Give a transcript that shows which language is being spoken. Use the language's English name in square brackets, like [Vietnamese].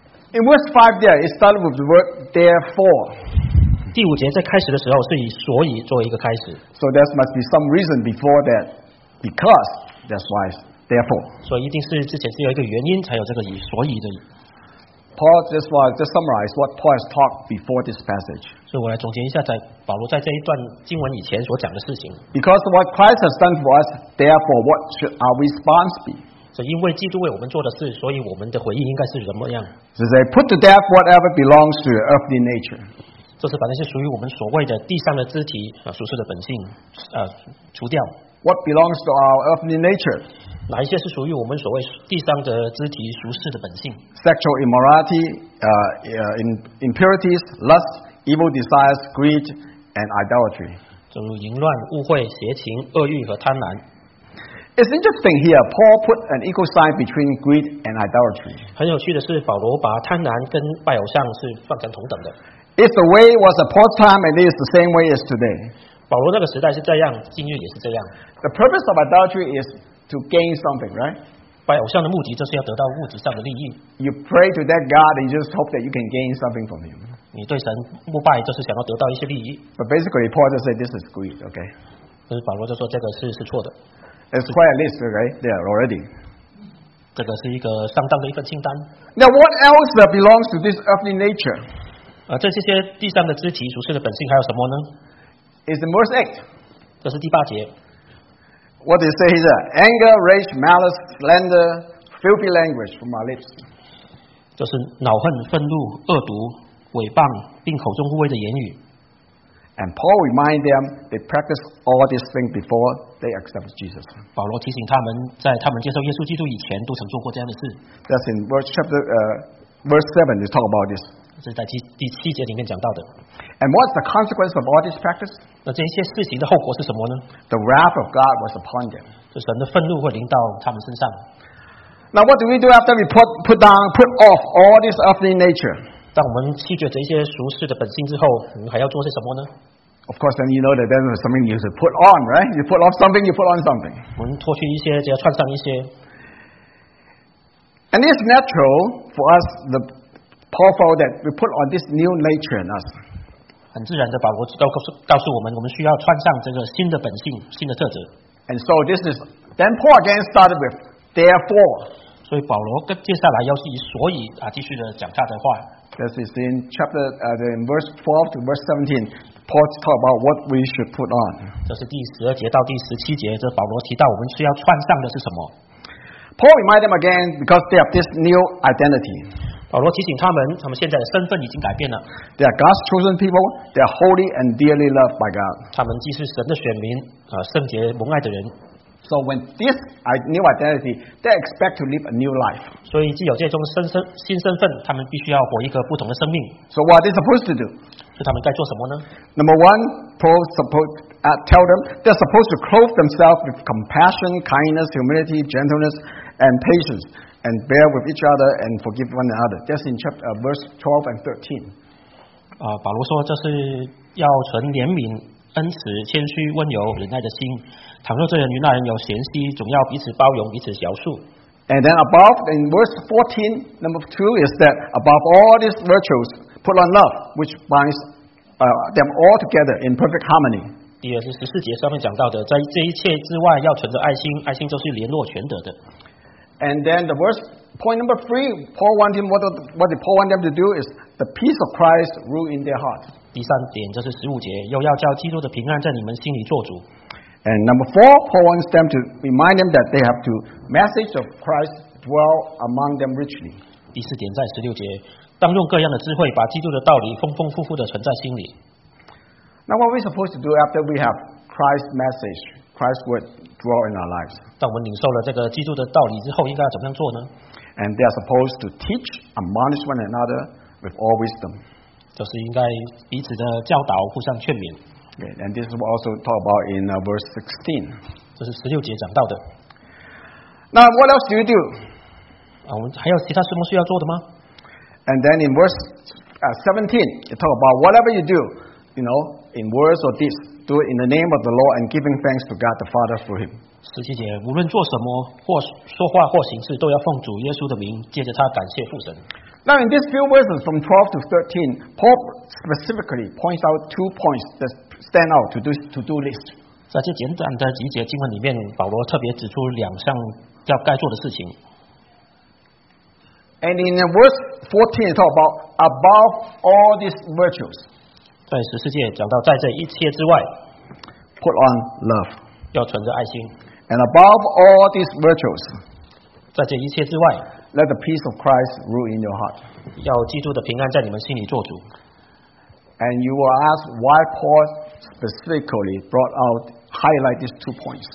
[English] In verse 5, there it started with the word therefore. [Chinese] 第五节在开始的时候是以所以做一个开始。 [English] So there must be some reason before that, because that's why. Therefore, [Chinese] 所以一定是之前是有一个原因才有这个以所以的。 [English] Paul just summarize what Paul has talked before this passage. [Chinese] 所以我来总结一下，在保罗在这一段经文以前所讲的事情。 [English] Because what Christ has done for us, therefore, what should our response be? [Chinese] 所以因为基督为我们做的事，所以我们的回应应该是怎么样？ [English] So they put to death whatever belongs to your earthly nature. [Chinese] 就是把那些属于我们所谓的地上的肢体啊、属世的本性啊、除掉。 [English] What belongs to our earthly nature? [Chinese] 哪一些是属于我们所谓地上的肢体俗世的本性 [English] ？Sexual immorality, impurities, lust, evil desires, greed, and idolatry. [Chinese] 正如淫乱、污秽、邪情、恶欲和贪婪。 [English] It's interesting here. Paul put an equal sign between greed and idolatry. [Chinese] 很有趣的是，保罗把贪婪跟拜偶像是放成同等的。 [English] It's the way it was at Paul's time, and it is the same way as today. [Chinese] 保罗那个时代是这样，今日也是这样。 [English] The purpose of idolatry is. To gain something, right? [Chinese] 拜偶像的目的就是要得到物质上的利益。 [English] You pray to that God, and you just hope that you can gain something from him. [Chinese] 你对神膜拜就是想要得到一些利益。 [English] But basically, Paul just said this is greed, okay? [Chinese] 就是保罗就说这个是错的。 [English] It's quite a list, okay? There already. [Chinese] 这个是一个上当的一份清单。 [English] Now, what else that belongs to this earthly nature? [Chinese] 这些地上的肢体、属世的本性还有什么呢？ [English] It's in verse 8. [Chinese] 这是第八节。 [English] What they say is anger, rage, malice, slander, filthy language from our lips. [Chinese] 就是恼恨、愤怒、恶毒、毁谤，并口中污秽的言语。 [English] And Paul reminds them they practice all these things before they accept Jesus. [Chinese] 保罗提醒他们，在他们接受耶稣基督以前，都曾做过这样的事。 [English] That's in verse 7. They talk about this. [Chinese] 这是在第七节里面讲到的。 [English] And what's the consequence of all this practice? [Chinese] 那这些事情的后果是什么呢？ [English] The wrath of God was upon them. [Chinese] 就神的愤怒会临到他们身上。 [English] Now what do we do after we put off all this earthly nature? [Chinese] 当我们弃绝这些俗世的本性之后，我们还要做些什么呢？ [English] Of course, then you know that there's something you should put on, right? You put off something, you put on something. [Chinese] 我们脱去一些，就要穿上一些。 [English] And it's natural for us, the powerful, that we put on this new nature in us. [Chinese] 很自然的，保罗告诉我们，我们需要穿上这个新的本性、新的特质。 [English] And so this is then Paul again started with therefore. [Chinese] 所以保罗接下来要以所以啊继续的讲他的话。 [English] This is in chapter in verse 12 to verse 17. Paul talk about what we should put on. [Chinese] 这是第十二节到第十七节，这保罗提到我们需要穿上的是什么？ [English] Paul remind them again because they have this new identity. [Chinese] 保罗提醒他们，他们现在的身份已经改变了。 [English] They are God's chosen people. They are holy and dearly loved by God. [Chinese] 他们既是神的选民，圣洁蒙爱的人。 [English] So when this new identity, they expect to live a new life. [Chinese] 所以既有这种新身份，他们必须要活一个不同的生命。 [English] So what are they supposed to do? [Chinese] 所以他们该做什么呢？ [English] Number one, Paul supposed. Tell them they're supposed to clothe themselves with compassion, kindness, humility, gentleness, and patience, and bear with each other and forgive one another. That's in chapter verse 12 and 13. [Chinese] 保罗说这是要存怜悯、恩慈、谦虚、温柔、忍耐的心。倘若这人与那人有嫌隙，总要彼此包容、彼此饶恕。 [English] And then above in verse 14, number two is that above all these virtues, put on love, which binds them all together in perfect harmony. [Chinese] 第二是十四节上面讲到的，在这一切之外，要存着爱心，爱心就是联络全德的。 [English] And then the verse point number three, Paul want him what did Paul want them to do is the peace of Christ rule in their hearts. [Chinese] 第三点就是十五节，又要叫基督的平安在你们心里做主。 [English] And number four, Paul wants them to remind them that they have to message of Christ dwell among them richly. [Chinese] 第四点在十六节，当用各样的智慧，把基督的道理丰丰富富的存在心里。 [English] Now, what are we supposed to do after we have Christ's message, Christ's word, dwell in our lives? [Chinese] 当我们领受了这个基督的道理之后，应该要怎么样做呢？ [English] And they are supposed to teach, admonish one another with all wisdom. [Chinese] 就是应该彼此的教导，互相劝勉。 [English] Okay, and this is also talked about in verse 16. [Chinese] 这是十六节讲到的。 [English] Now, what else do you do? [Chinese] 我们还有其他什么需要做的吗？ [English] And then in verse 17, it talks about whatever you do, you know,In words or deeds, do it in the name of the Lord and giving thanks to God the Father for him. [Chinese] 十七节，无论做什么或说话或行事，都要奉主耶稣的名，借着他感谢父神。 [English] Now in these few verses from 12 to 13, Paul specifically points out two points that stand out to do list. [Chinese] 在这简短的几节经文里面，保罗特别指出两项要该做的事情。 [English] And in verse 14, it talks about above all these virtues. [Chinese] 在十四节讲到，在这一切之外 [English] ，put on love， [Chinese] 要存着爱心 [English] ，and above all these virtues， [Chinese] 在这一切之外 [English] ，let the peace of Christ rule in your heart， [Chinese] 要基督的平安在你们心里做主。 [English] And you will ask why Paul specifically brought out highlight these two points。